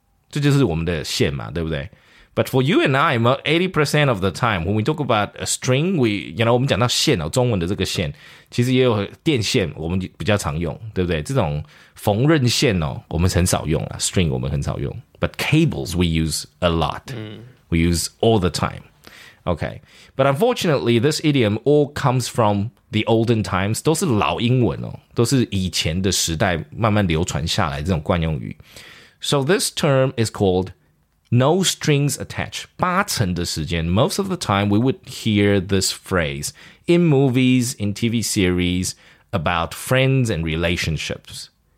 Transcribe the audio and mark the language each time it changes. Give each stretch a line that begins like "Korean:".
Chinese: 这就是我们的线嘛，对不对 ？
English: But for you and I, 80% of the time, when we talk about a string, we, you know,
Chinese: 我们讲到线哦，中文的这个线，其实也有电线，我们比较常用，对不对？这种缝纫线哦，我们很少用了 ，string 我们很少用 ，
English: but cables we use a lot.、嗯 We use all the time. Okay. But unfortunately, this idiom all comes from the olden times.
Chinese: 都是老英文哦，都是以前的时代慢慢流传下来这种惯用语。
English: So this term is called no strings attached.
Chinese: 八成的时间
English: most of the time, we would hear this phrase in movies, in TV series, about friends and relationships.